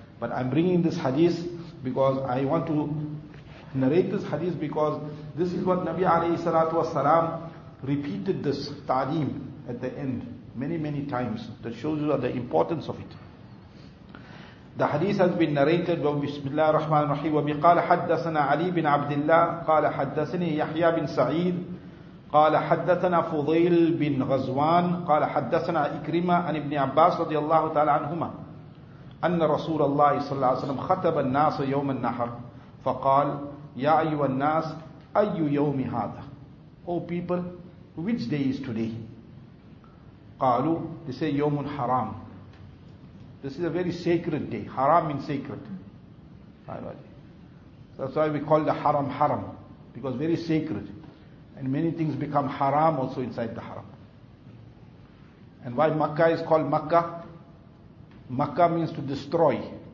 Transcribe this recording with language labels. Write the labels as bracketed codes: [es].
[en] But I'm bringing this hadith because I want to narrate this hadith, because this is what Nabi alayhi salatu was salam repeated, this ta'lim at the end many, many times. That shows you the importance of it. The hadith has been narrated by Bismillah ar-Rahman ar-Rahim. [ar] وَبِقَالَ حَدَّثَنَا عَلِي بِنْ عَبْدِ اللَّهِ قَالَ حَدَّثَنِي يَحْيَى بِنْ سَعِيدٍ قال حدثنا فضيل بن غزوان قال حدثنا إكرمة عن ابن عباس رضي الله تعالى عنهما أن رسول الله صلى الله عليه وسلم خطب الناس يوم النحر فقال يا أيها الناس أي يوم هذا. [en] Oh people, which day is today? [ar] قالوا, [en] they say [ar] يوم حرام. [en] This is a very sacred day. Haram means sacred. That's why we call the haram haram, because very sacred. And many things become haram also inside the haram. And why Makkah is called Makkah? Makkah means to destroy.